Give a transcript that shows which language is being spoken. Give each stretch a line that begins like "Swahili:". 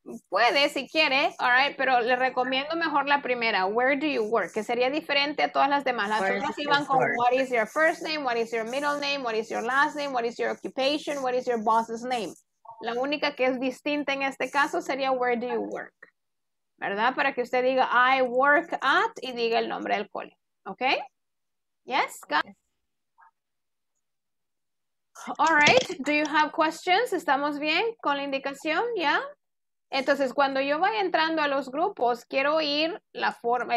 Spanish: Puede, si quiere, all right, pero le recomiendo mejor la primera. Where do you work? Que sería diferente a todas las demás.
English: Las otras iban con what is your first name, what is your middle name, what is your last name, what is your occupation, what is your boss's name.
Spanish: La única que es distinta en este caso sería where do you work, ¿verdad? Para que usted diga I work at y diga el nombre del cole.
English: ¿Ok? Yes, guys. All right. Do you have questions? ¿Estamos bien con la indicación? ¿Ya?
Spanish: Entonces, cuando yo vaya entrando a los grupos, quiero oír la forma.